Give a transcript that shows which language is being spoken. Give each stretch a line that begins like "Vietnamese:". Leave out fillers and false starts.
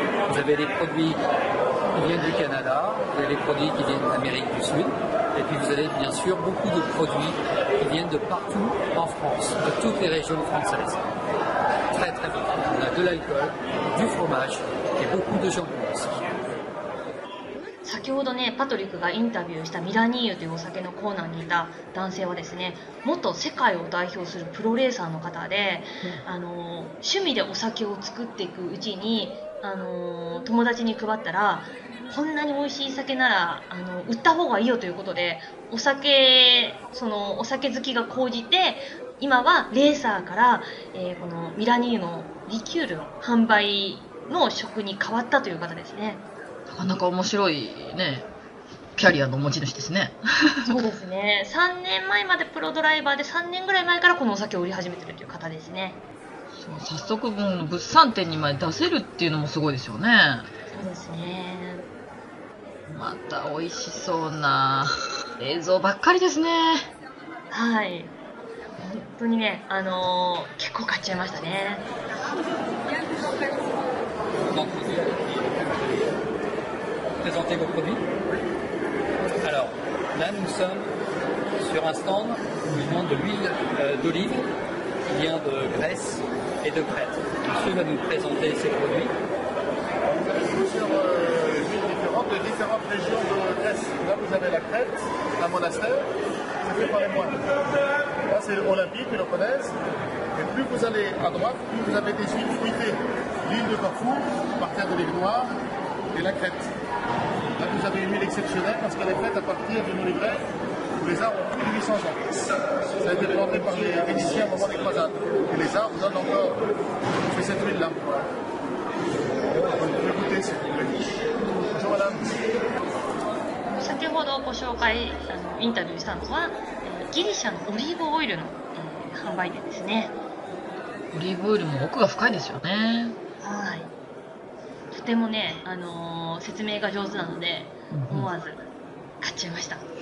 French: Vous avez les produits qui viennent du Canada, vous avez les produits qui viennent d'Amérique du Sud, et puis vous avez bien sûr beaucoup de produits qui viennent de partout en France, de toutes les régions françaises. Très très bien. On a de l'alcool, du fromage et beaucoup de jambon aussi.
Japanese: 先ほどね、パトリックがインタビューしたミラニーユというお酒のコーナーにいた男性はですね、元世界を代表するプロレーサーの方で、趣味でお酒を作っていくうちに、友達に配ったら、こんなに美味しい酒なら、売った方がいいよということで、お酒好きが高じて、今はレーサーから、このミラニーユのリキュールの販売の職に変わったという方ですね。なかなか面白いね、キャリアの持ち主ですね。そうですね、3年前までプロドライバーで、3年ぐらい前からこのお酒を売り始めてるという方ですね。そう、早速もう物産展に前出せるっていうのもすごいですよね。そうですね。また美味しそうな映像ばっかりですね。はい、本当にね、結構買っちゃいましたね。
French: Présenter vos produits. Alors là, nous sommes sur un stand où ils vendent de l'huile d'olive qui vient de Grèce et de Crète. Monsieur va nous présenter ses produits. Alors, on est sur l'huile de de différentes régions de Grèce. Là, vous avez la Crète, un monastère, c'est fait par les moines. Là, c'est Olympie, qui le connaissent. Et plus vous allez à droite, plus vous avez des îles fruitées. L'île de Corfou, par terre de l'île Noire, et la Crète. Là, vous avez une île exceptionnelle parce qu'elle est faite à partir d'une olive verte où les arbres ont plus de 800 ans. Ça a été planté par les Vénitiens au moment des croisades. Et les arbres donnent encore sur cette huile-là. Vous pouvez goûter, s'il vous plaît. Bonjour, madame.
Japanese: 先ほどご紹介インタビューしたのはギリシャのオリーブオイルの、販売店ですね。オリーブオイルも奥が深いですよね。はい、とてもね、説明が上手なので思わず買っちゃいました。